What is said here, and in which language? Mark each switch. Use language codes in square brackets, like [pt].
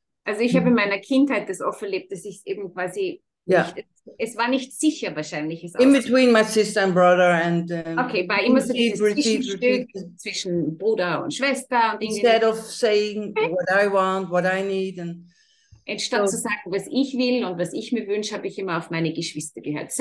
[de] Also ich habe in meiner Kindheit das oft erlebt, dass ich eben quasi, yeah. es war nicht sicher wahrscheinlich. [en] In between my sister and brother and... [de] okay, war immer so dieses Zwischenstück zwischen Bruder und Schwester. Und [en] instead of saying what I want, what I need and... [de] Anstatt zu sagen, was ich will und was ich mir wünsche, habe ich immer auf meine Geschwister gehört.